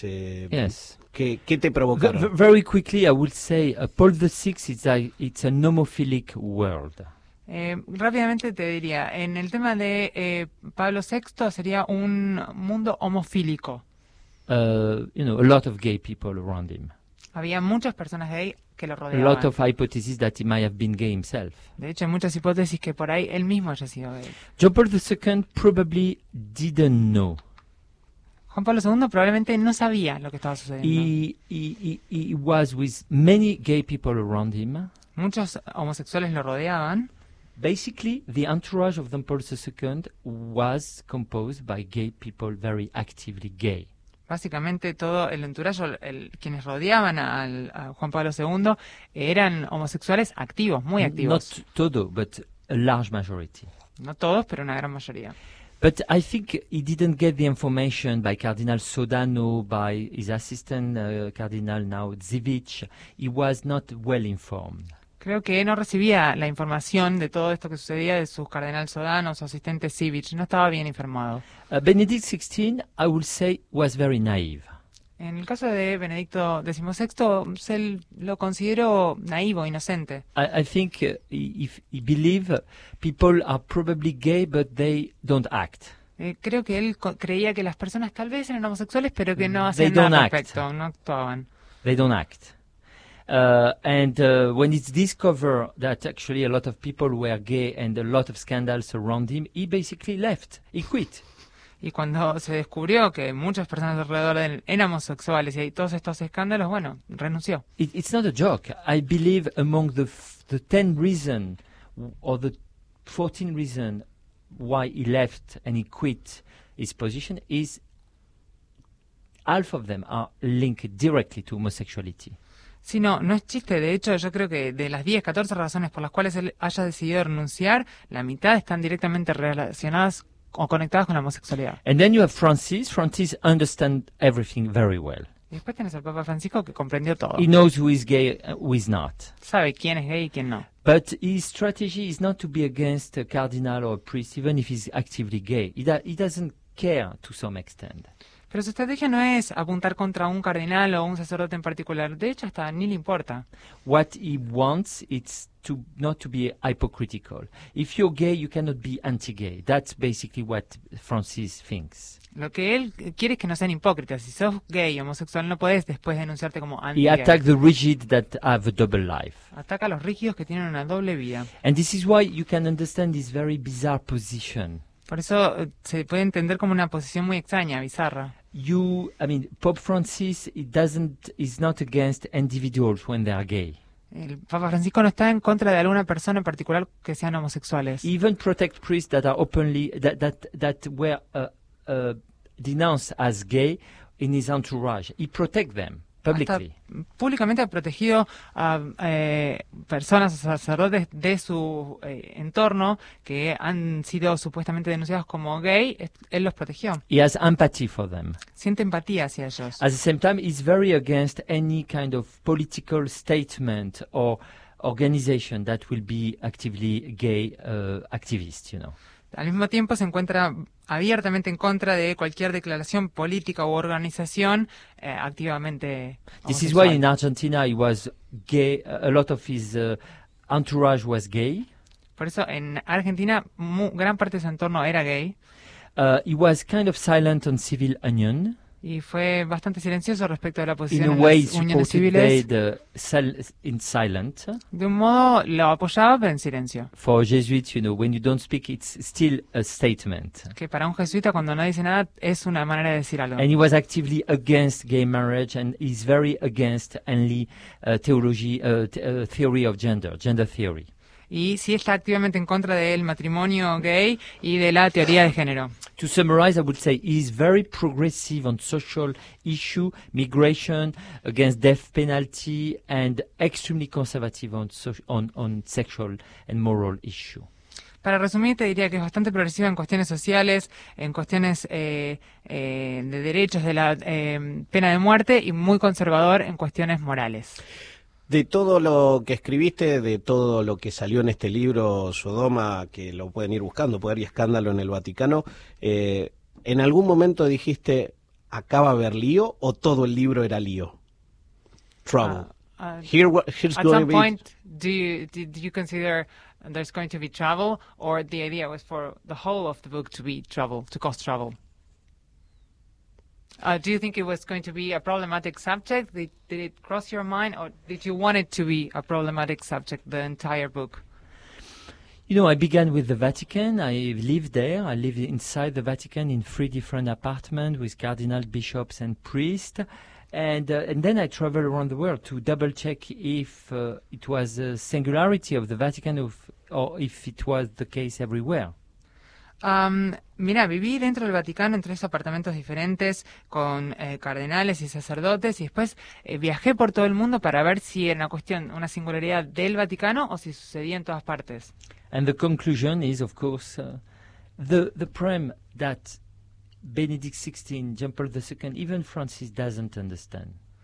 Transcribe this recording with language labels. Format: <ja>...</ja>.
<en>Yes.</en> <es>¿Qué te provocaron?</es> <en>Very quickly, I would say Paul VI it's a homophilic world.</en> <es>Rápidamente te diría, en el tema de Pablo VI sería un mundo homofílico.</es> <en>A lot of gay people around him.</en> <es>Había muchas personas gay que lo rodeaban.</es> <en>A lot of hypotheses that he might have been gay himself.</en> <es>De hecho, hay muchas hipótesis que por ahí él mismo haya sido gay.</es> <en>John Paul II probably didn't know.</en> <es>Juan Pablo II probablemente no sabía lo que estaba sucediendo.</es> <en>He was with many gay people around him.</en> <es>Muchos homosexuales lo rodeaban.</es> <en>Basically, the entourage of John Paul II was composed by gay people very actively gay.</en> <es>Básicamente todo el entourage, quienes rodeaban a Juan Pablo II eran homosexuales activos, muy activos.</es> <en>Not</en> <es>todo,</es> <en>but a large majority.</en> <es>No todos, pero una gran mayoría.</es> <en>But I think he didn't get the information by Cardinal Sodano, by his assistant Cardinal now Zivic. He was not well informed.</en> <es>Creo que no recibía la información de todo esto que sucedía de sus Cardenal Sodano, su asistente Zivic. No estaba bien informado.</es> <en>Benedict XVI, I would say, was very naive.</en> <es>En el caso de Benedicto XVI, se lo considero naivo, inocente.</es> <en>I think if he believe people are probably gay, but they don't act.</en> <es>Creo que él creía que las personas tal vez eran homosexuales, pero que no hacían nada al respecto, no actuaban.</es> <en>They don't act. When it's discovered that actually a lot of people were gay and a lot of scandals around him, he basically left. He quit.</en> <es>Y cuando se descubrió que muchas personas alrededor de él eran homosexuales y hay todos estos escándalos, bueno, renunció.</es> <en>It's not a joke. I believe among the 10 reasons or the 14 reasons why he left and he quit his position is half of them are linked directly to homosexuality.</en> <es>Sí, no, no es chiste. De hecho, yo creo que de las 10, 14 razones por las cuales él haya decidido renunciar, la mitad están directamente relacionadas o conectadas con la homosexualidad.</es> <en>And then you have Francis. Francis understands everything very well.</en> <es>Y después tienes al Papa Francisco, que comprendió todo.</es> <en>He knows who is gay, who is not.</en> <es>Sabe quién es gay y quién no.</es> <en>But his strategy is not to be against a cardinal or a priest, even if he's actively gay. He doesn't care to some extent.</en> <es>Pero su estrategia no es apuntar contra un cardenal o un sacerdote en particular. De hecho, hasta ni le importa.</es> <en>What he wants is to not to be hypocritical. If you're gay, you cannot be anti-gay. That's basically what Francis thinks.</en> <es>Lo que él quiere es que no sean hipócritas. Si sos gay o homosexual, no puedes después denunciarte como anti-gay.</es> <en>He attacks the rigid that have a double life.</en> <es>Ataca a los rígidos que tienen una doble vida.</es> <en>And this is why you can understand this very bizarre position.</en> <es>Por eso se puede entender como una posición muy extraña, bizarra.</es> <en>Pope Francis is not against individuals when they are gay.</en> <es>El Papa Francisco no está en contra de alguna persona en particular que sean homosexuales.</es> <en>Even protect priests that are openly that were denounced as gay in his entourage. He protect them publicly.</en> <es>Hasta públicamente ha protegido personas o sacerdotes de su entorno que han sido supuestamente denunciados como gay. Él los protegió.</es> <en>He has empathy for them.</en> <es>Siente empatía hacia ellos.</es> <en>At the same time, he's very against any kind of political statement or organization that will be actively gay activist, you know.</en> <es>Al mismo tiempo se encuentra abiertamente en contra de cualquier declaración política u organización activamente homosexual.</es> <en>This is why in Argentina he was gay, a lot of his entourage was gay.</en> <es>Por eso en Argentina gran parte de su entorno era gay.</es> <en>He was kind of silent on civil union.</en> <es>Y fue bastante silencioso respecto a la posición de las uniones civiles.</es> <en>In silent.</en> <es>De un modo lo apoyaba, pero en silencio.</es> <en>For Jesuits, you know, when you don't speak, it's still a statement.</en> <es>Que para un jesuita cuando no dice nada es una manera de decir algo.</es> <en>And he was actively against gay marriage, and he's very against only theory of gender theory.</en> <es>Y sí está activamente en contra del matrimonio gay y de la teoría de género.</es> <en>To summarize, I would say he is very progressive on social issue, migration, against death penalty, and extremely conservative on sexual and moral issue.</en> <es>Para resumir, te diría que es bastante progresiva en cuestiones sociales, en cuestiones de derechos, de la pena de muerte, y muy conservador en cuestiones morales. De todo lo que escribiste, de todo lo que salió en este libro, Sodoma, que lo pueden ir buscando, Poder y Escándalo en el Vaticano, ¿en algún momento dijiste, acaba de haber lío o todo el libro era lío? Trouble. Here's at going some to point, be...</es> <en>do you consider there's going to be trouble, or the idea was for the whole of the book to be trouble, to cause trouble? Do you think it was going to be a problematic subject? Did it cross your mind, or did you want it to be a problematic subject, the entire book? You know, I began with the Vatican. I lived there. I lived inside the Vatican in three different apartments with cardinals, bishops, and priests. And then I traveled around the world to double-check if it was a singularity of the Vatican or if it was the case everywhere.</en> <es>Mira, viví dentro del Vaticano en tres apartamentos diferentes con cardenales y sacerdotes y después viajé por todo el mundo para ver si era una cuestión, una singularidad del Vaticano o si sucedía en todas partes.</es> <en>And the conclusion is, of course, the problem that Benedict XVI, John Paul II, even Francis don't understand.</en>